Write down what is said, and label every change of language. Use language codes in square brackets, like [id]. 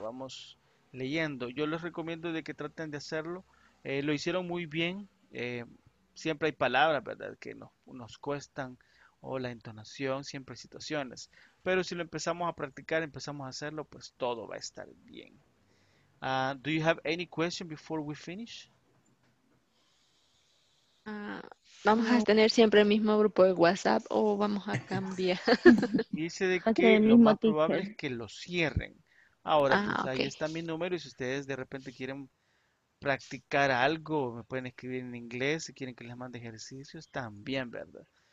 [es] Vamos leyendo. Yo les recomiendo de que traten de hacerlo. Lo hicieron muy bien. Siempre hay palabras, ¿verdad? Que nos cuestan o la entonación, siempre hay situaciones. Pero si lo empezamos a practicar, empezamos a hacerlo, pues todo va a estar bien. [en] Do you have any question before we finish? [es] Vamos a tener siempre el mismo grupo de WhatsApp o vamos a cambiar. Dice de que lo más probable es que lo cierren. Ahora, pues okay. Ahí está mi número y si ustedes de repente quieren practicar algo, me pueden escribir en inglés, si quieren que les mande ejercicios, también, ¿verdad?